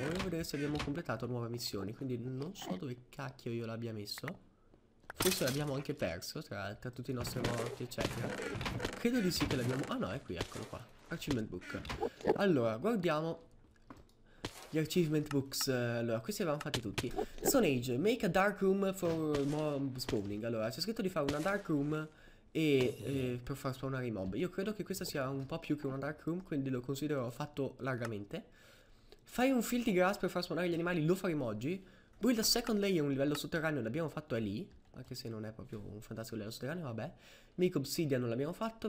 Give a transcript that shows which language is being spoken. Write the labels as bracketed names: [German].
[Italian] Voglio vedere se abbiamo completato nuove missioni. Quindi non so dove cacchio io l'abbia messo. Forse l'abbiamo anche perso, tra tutti i nostri morti, eccetera. Credo di sì che l'abbiamo. Ah no, è qui, eccolo qua. Achievement Book. Allora, guardiamo gli Achievement Books. Allora, questi li abbiamo fatti tutti. [English] Stone Age, make a dark room for mob spawning. [Italian] Allora, c'è scritto di fare una dark room. E per far spawnare i mob. Io credo che questa sia un po' più che una dark room, quindi lo considero fatto largamente. Fai un field di grass per far spawnare gli animali, lo faremo oggi. [English] Build a second layer, [Italian] un livello sotterraneo, l'abbiamo fatto, è lì. Anche se non è proprio un fantastico livello sotterraneo, vabbè. [English] Make obsidian [Italian] non l'abbiamo fatto.